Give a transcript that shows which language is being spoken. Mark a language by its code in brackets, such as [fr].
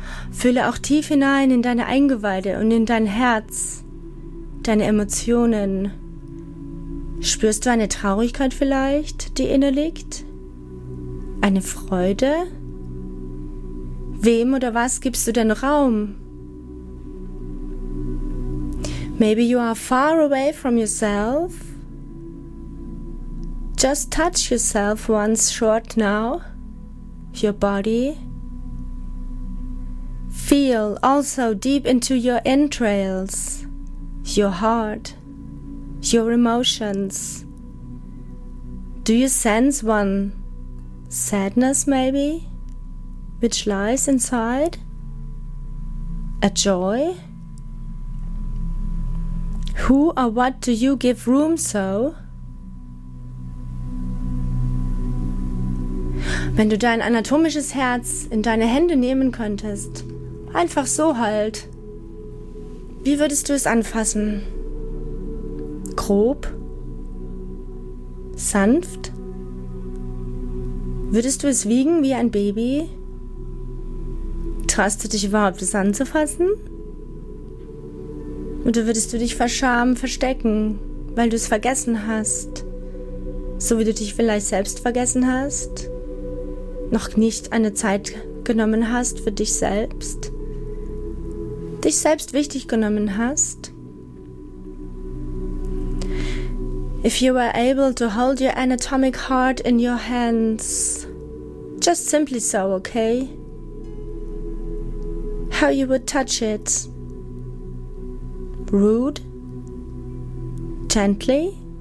[de] Fühle auch tief hinein in deine Eingeweide und in dein Herz, deine Emotionen. Spürst du eine Traurigkeit vielleicht, die inne liegt? Eine Freude? Wem oder was gibst du denn Raum? [en] Maybe you are far away from yourself. Just touch yourself once short now, your body. Feel also deep into your entrails, your heart, your emotions. Do you sense one sadness maybe, which lies inside? A joy? Who or what do you give room so? [de] Wenn du dein anatomisches Herz in deine Hände nehmen könntest, einfach so halt, wie würdest du es anfassen? Grob? Sanft? Würdest du es wiegen wie ein Baby? Traust du dich überhaupt, es anzufassen? Oder würdest du dich verschamen, verstecken, weil du es vergessen hast? So wie du dich vielleicht selbst vergessen hast? Noch nicht eine Zeit genommen hast für dich selbst, dich selbst wichtig genommen hast. [en] If you were able to hold your anatomic heart in your hands, just simply so, okay? How you would touch it? Rude? Gently?